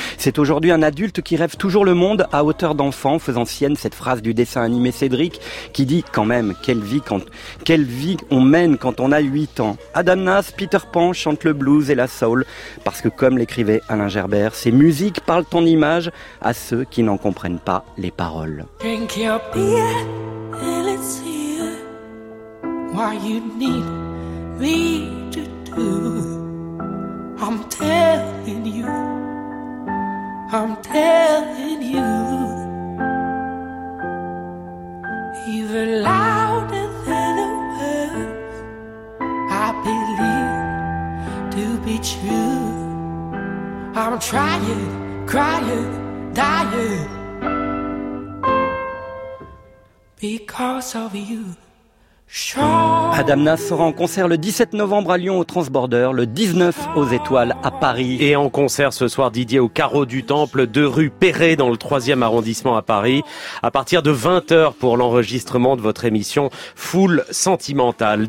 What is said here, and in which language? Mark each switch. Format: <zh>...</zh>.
<fr>C'est aujourd'hui un adulte qui rêve toujours le monde à hauteur d'enfant, faisant sienne cette phrase du dessin animé Cédric qui dit quand même, quelle vie on mène quand on a 8 ans. Adam Nas, Peter Pan, chante le blues et la soul, parce que comme l'écrivait Alain Gerber, ces musiques parle ton image à ceux qui n'en comprennent pas les paroles.</fr> <en>Drink your beer and let's hear what you need me to do. I'm telling you, I'm telling you. Even louder than the words I believe to be true. I'm trying, crying, dying, because of you.</en> <fr>Adam Nas sera en concert le 17 novembre à Lyon au Transborder, le 19 aux Étoiles à Paris. Et en concert ce soir Didier au Carreau du Temple, 2 rue Perret dans le 3e arrondissement à Paris, à partir de 20h pour l'enregistrement de votre émission Foule Sentimentale.</fr>